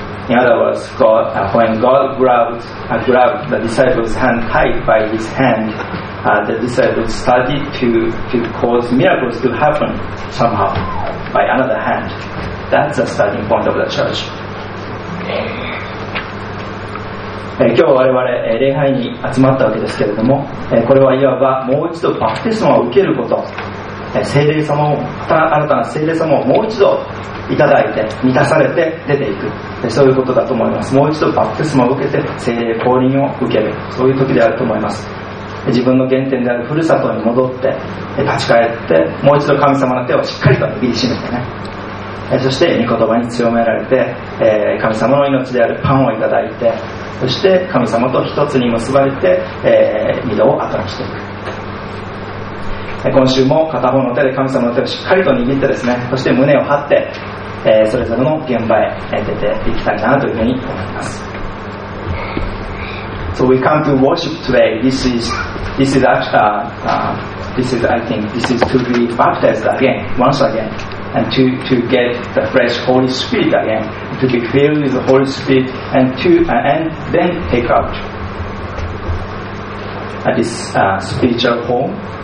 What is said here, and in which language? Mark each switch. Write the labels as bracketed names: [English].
[English] In other words, when God grabbed the disciples' hand tight by his hand, the disciples started to cause miracles to happen somehow by another hand. That's the starting point of the church. [Japanese] 今日我々礼拝に集まったわけですけれども、これはいわばもう一度バプテスマを受けること、聖霊様を、新たな聖霊様をもう一度いただいて満たされて出ていく、そういうことだと思います。もう一度バプテスマを受けて聖霊降臨を受ける、そういう時であると思います。自分の原点であるふるさとに戻って立ち返って、もう一度神様の手をしっかりと握りしめてね、そして御言葉に強められて、神様の命であるパンをいただいて、そして神様と一つに結ばれて、御堂を新しくしていく。今週も片方の手で神様の手をしっかりと握ってですね、そして胸を張って、それぞれの現場へ出ていきたいなというふうに思います。 [English] So we come to worship today. This is to be baptized again, once againand to get the fresh Holy Spirit again, to be filled with the Holy Spirit, and then take out at this spiritual home.